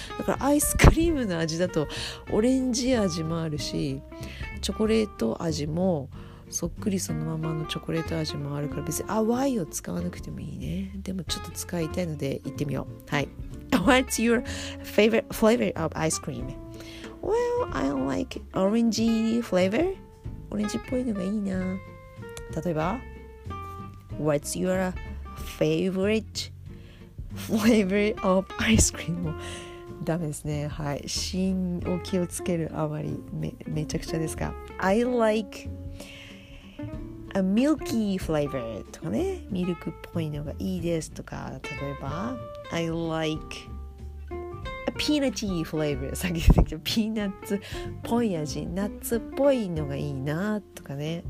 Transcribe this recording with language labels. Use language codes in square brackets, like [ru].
[ja] だからアイスクリームの味だとオレンジ味もあるし、チョコレート味もそっくりそのままのチョコレート味もあるから、別に淡いを使わなくてもいいね。でもちょっと使いたいので行ってみよう。 [en] はい。What's your favorite flavor of ice cream? Well, I like orangey flavor. [ja] オレンジっぽいのがいいな。 [en] 例えば、 What's your favorite flavor of ice cream? [ja] ダメですね。はい。シーンを気をつけるあまり めちゃくちゃですか。 [en] I like a milky flavor とかね。 [ja] ミルクっぽいのがいいですとか、例えば、 [en] I like [ja] ピーナッツフレーバー、さっき言ったけどピーナッツっぽい味、ナッツっぽいのがいいなとかね。